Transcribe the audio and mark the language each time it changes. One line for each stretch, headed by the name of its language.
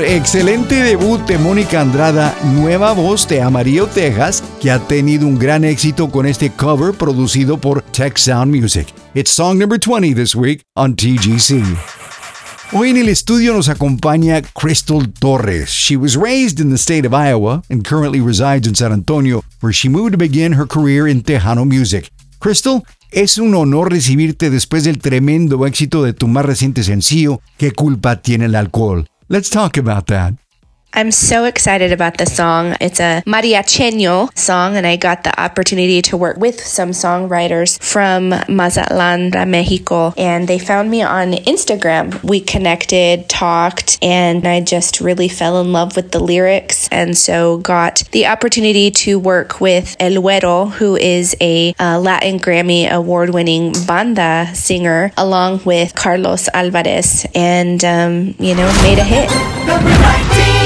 Spanish: Excelente debut de Mónica Andrada, nueva voz de Amarillo, Texas, que ha tenido un gran éxito con este cover producido por Tech Sound Music.
English: It's song number 20 this week on TGC.
Spanish: Hoy en el estudio nos acompaña Crystal Torres.
English: She was raised in the state of Iowa and currently resides in San Antonio, where she moved to begin her career in Tejano music.
Spanish: Crystal, es un honor recibirte después del tremendo éxito de tu más reciente sencillo, ¿Qué culpa tiene el alcohol?
English: Let's talk about that. I'm so excited about the song. It's a mariacheño song, and I got the opportunity to work with some songwriters from Mazatlan, Mexico, and they found me on Instagram. We connected, talked, and I just really fell in love with the lyrics, and so got the opportunity to work with El Güero, who is a Latin Grammy award-winning banda singer, along with Carlos Alvarez, and, you know, made a hit.